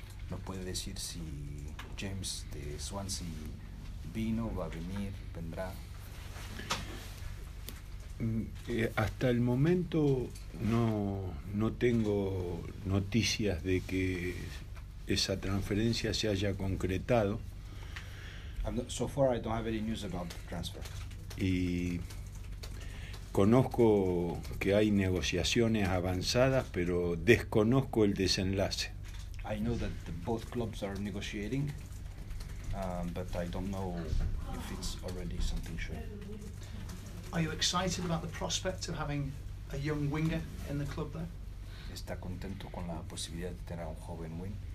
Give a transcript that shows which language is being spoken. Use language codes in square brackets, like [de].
[es] No puede decir si James de Swansea vino, va a venir, vendrá. Hasta el momento no tengo noticias de que esa transferencia se haya concretado. [en] So far I don't have any news about the transfer. [es] Y conozco que hay negociaciones avanzadas, pero desconozco el desenlace. [en] I know that both clubs are negotiating, but I don't know if it's already something sure. Are you excited about the prospect of having a young winger in the club there? [es] ¿Está contento con la posibilidad de tener un joven wing?